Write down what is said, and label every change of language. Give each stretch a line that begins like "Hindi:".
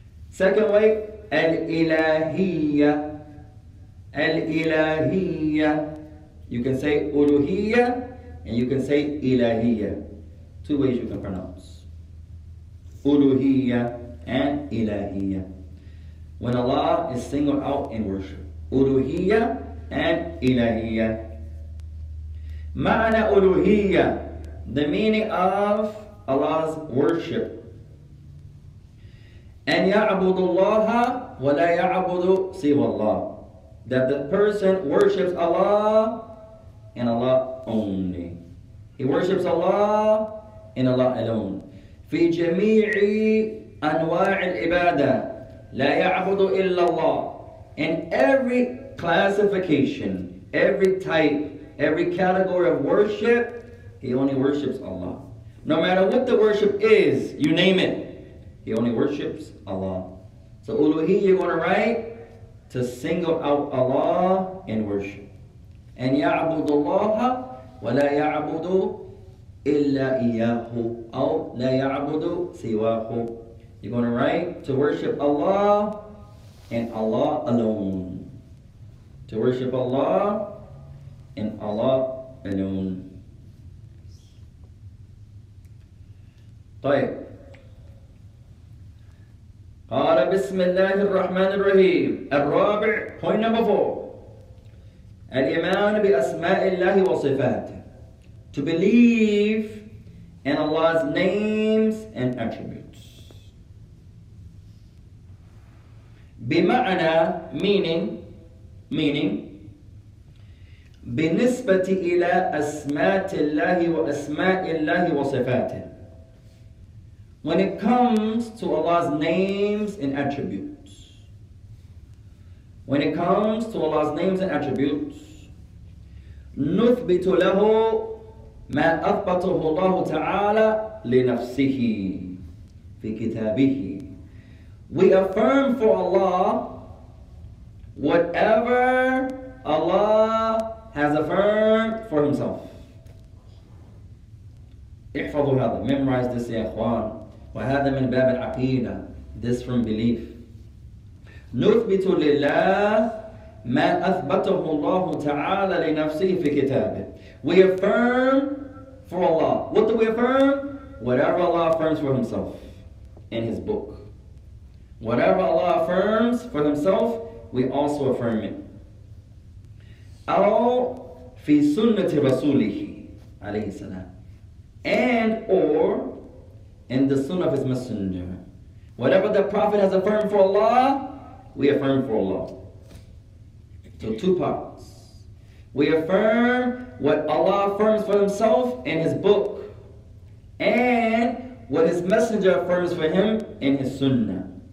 English: Second way الإلهية الإلهية You can say ألوهية and you can say إلهية Two ways you can pronounce ألوهية and إلهية When Allah is singled out in worship ألوهية and إلهية
Arabic: معنى ألوهية
English: The meaning of Allah's worship.
Arabic: أن يعبد الله ولا يعبد سوى الله.
English: That the person worships Allah and Allah only. He worships Allah and Allah alone.
Arabic: في جميع أنواع العبادة لا يعبد إلا الله.
English: In every classification, every type, every category of worship, he only worships Allah. No matter what the worship is, you name it, he only worships Allah. So uluhiyya you want to write to single out Allah in worship.
Arabic: أن يعبد الله ولا يعبد إلا إياه أو لا يعبد سواه.
English: You're going to write to worship Allah and Allah alone. To worship Allah and Allah alone.
Arabic: طيب. قال بسم الله الرحمن الرحيم الرابع
English: point number four
Arabic: الإيمان بأسماء الله وصفاته
English: to believe in Allah's names and attributes
Arabic: بمعنى meaning بالنسبة إلى أسماء الله وأسماء الله وصفاته.
English: When it comes to Allah's names and attributes, when it comes to Allah's names and attributes,
Arabic: نُثْبِتُ لَهُ مَا أَثْبَتُهُ اللَّهُ تَعَالَى لِنَفْسِهِ فِي كِتَابِهِ.
English: We affirm for Allah whatever Allah has affirmed for Himself.
Arabic: احفظوا هذا.
English: Memorize this,
Arabic: يا إخوان. وهذا من باب العقيدة.
English: This from belief.
Arabic: نثبت لله ما أثبته الله تعالى لنفسه في كتابه.
English: We affirm for Allah. What do we affirm? Whatever Allah affirms for Himself in His book. Whatever Allah affirms for Himself, we also affirm it.
Arabic: أو في سنة رسوله عليه السلام.
English: And or in the sunnah of his messenger. Whatever the Prophet has affirmed for Allah, we affirm for Allah. So two parts. We affirm what Allah affirms for himself in his book, and what his messenger affirms for him in his sunnah.